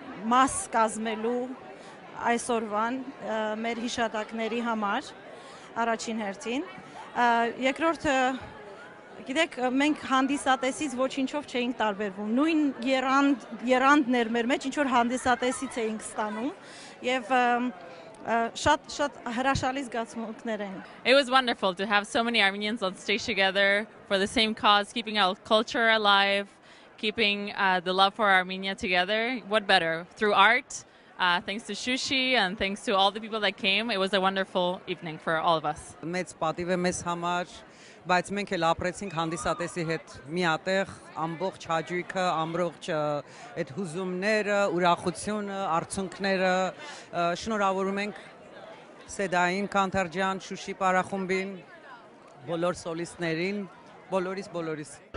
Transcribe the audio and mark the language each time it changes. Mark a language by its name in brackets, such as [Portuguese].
[Armenian] Մաս կազմելու այսօրվան մեր հիշատակների համար առաջին հերթին երկրորդը գիտեք մենք հանդիսատեսից ոչինչով չէինք տարբերվում նույն երանդներ մեր մեջ ինչ որ հանդիսատեսից էինք ստանում եւ շատ հրաշալի զգացմունքներ են [English] It was wonderful to have so many Armenians on stage together for the same cause keeping our culture alive keeping the love for Armenia together. What better? Through art, thanks to Shushi and thanks to all the people that came. It was a wonderful evening for all of us. [Armenian] Մեծ պատիվ է մեզ համար, բայց մենք էլ ապրեցինք հանդիսատեսի հետ միատեղ, ամբողջ հաճույքը, ամբողջ այդ հուզումները, ուրախությունը, արցունքները. Շնորհավորում ենք Սեդային, Կանթարջյան, Շուշի Պարախումբին, բոլոր սոլիստներին, բոլորիս.